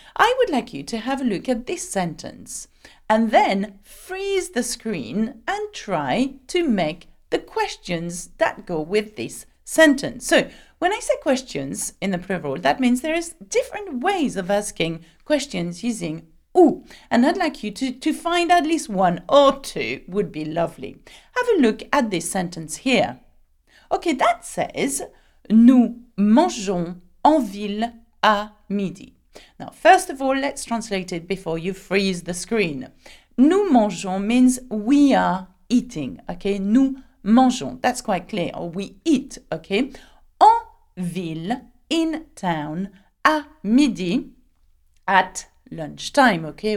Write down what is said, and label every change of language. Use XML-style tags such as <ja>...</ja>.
<en>I would like you to have a look at this sentence and then freeze the screen and try to make the questions that go with this sentence. So, when I say questions in the plural, that means there is different ways of asking questions using où. And I'd like you to find at least one or two would be lovely. Have a look at this sentence here. Okay, that says,</en> <fr>nous mangeons en ville à midi.</fr> <en>Now, first of all, let's translate it before you freeze the screen.</en> <fr>Nous mangeons</fr> <en>means we are eating, okay?</en> <fr>Nous mangeons,</fr> <en>that's quite clear, or we eat, okay?</en> <fr>En ville,</fr> <en>in town,</en> <fr>à midi,</fr> <en>at lunchtime, okay?</en>